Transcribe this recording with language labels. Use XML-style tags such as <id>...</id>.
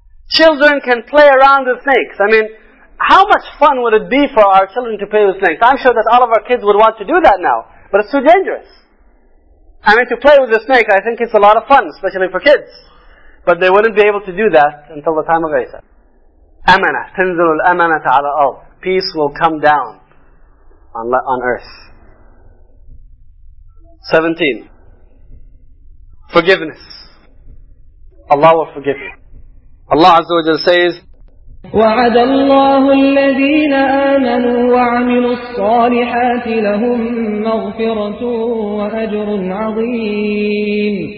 <en>Children can play around with snakes. I mean, how much fun would it be for our children to play with snakes? I'm sure that all of our kids would want to do that now, but it's too dangerous. I mean, to play with a snake, I think it's a lot of fun, especially for kids. But they wouldn't be able to do that until the time of Isa.</en> <ar>Amana, تنزل الأمنة على الأرض.</ar> <en>Peace will come down on earth. 17. Forgiveness. Allah will forgive you. Allah Azza wa Jalla says,</en> <ar>وَعَدَ اللَّهُ الَّذِينَ آمَنُوا وَعَمِلُوا الصَّالِحَاتِ لَهُمْ مَغْفِرَةٌ وَأَجْرٌ عَظِيمٌ.</ar>